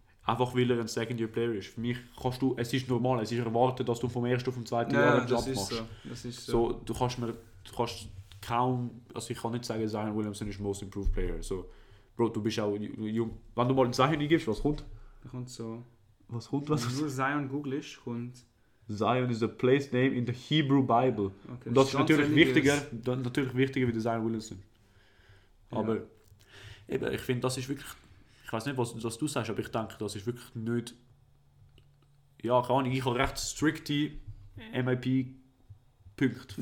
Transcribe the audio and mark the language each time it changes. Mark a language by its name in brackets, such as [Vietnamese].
[German] Einfach weil er ein Second-Year-Player ist. Für mich kannst du, es ist normal, es ist erwartet, dass du vom ersten auf den zweiten Jahr einen Job machst. Das ist so. Also ich kann nicht sagen, Zion Williamson ist Most Improved Player. So, Bro, du bist auch jung. Wenn du mal einen Zion eingibst, was kommt? Wenn du Zion googlest, kommt... [English] Zion is a place name in the Hebrew Bible. [German] Okay, und das ist natürlich wichtiger, wie Zion Williamson. Aber, ja. Eben, ich finde, das ist wirklich... Ich weiß nicht, was du sagst, aber ich denke, das ist wirklich nicht. Ja, keine Ahnung, ich habe recht strikte MIP-Punkte.